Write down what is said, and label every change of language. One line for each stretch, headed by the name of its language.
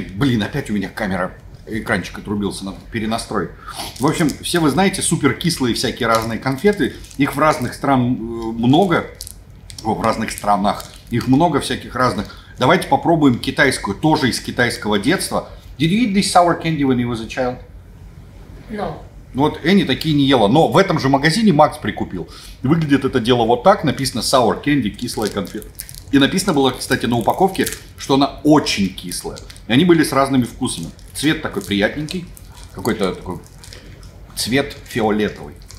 Russian: Блин, опять у меня камера, экранчик отрубился, на перенастрой. В общем, все вы знаете суперкислые всякие разные конфеты. Их в разных странах много. В разных странах. Их много всяких разных. Давайте попробуем китайскую, тоже из китайского детства.
English: Did you eat this sour candy when you was a child? No.
Russian: Вот Энни такие не ела, но в этом же магазине Макс прикупил. Выглядит это дело вот так, написано Sour Candy, кислая конфета. И написано было, кстати, на упаковке, что она очень кислая. И они были с разными вкусами. Цвет такой приятненький, какой-то такой цвет фиолетовый.